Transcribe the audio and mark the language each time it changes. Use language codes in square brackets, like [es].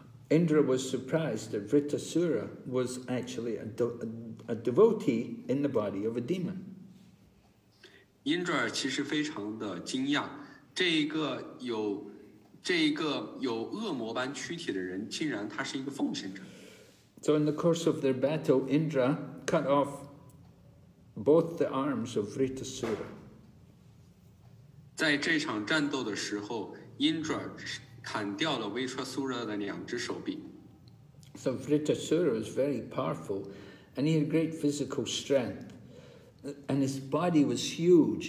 [en] Indra was surprised that Vritasura was actually a devotee in the body of a demon. [zh] Indra 其实非常的惊讶，这一个有恶魔般躯体的人，竟然他是一个奉献者。 [en] So in the course of their battle, Indra cut off both the arms of Vritasura. [zh] 在这场战斗的时候， Indra 砍掉了Vritasura的两只手臂。 [en] So Vritasura was very powerful, and he had great physical strength, and his body was huge.